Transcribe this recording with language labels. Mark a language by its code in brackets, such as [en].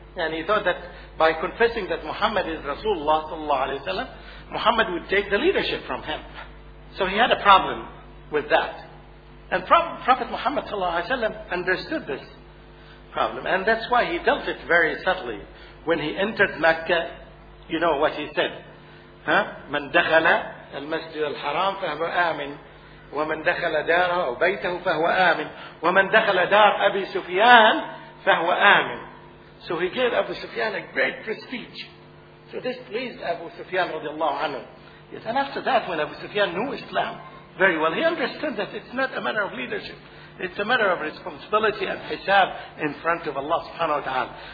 [en] And he thought that by confessing that Muhammad is Rasulullah sallallahu alayhi wa sallam, Muhammad would take the leadership from him. So he had a problem with that. And Prophet Muhammad sallallahu alayhi wa sallam understood this problem. And that's why he dealt it very subtly. When he entered Mecca, you know what he said. [ar] من دخل المسجد الحرام فهو آمن ومن دخل داره أو بيته فهو آمن ومن دخل دار أبي سفيان فهو آمن. [en] So he gave Abu Sufyan a great prestige. So this pleased Abu Sufyan radiallahu anhu. Yes, and after that, when Abu Sufyan knew Islam very well, he understood that it's not a matter of leadership. It's a matter of responsibility and hisab in front of Allah subhanahu wa ta'ala.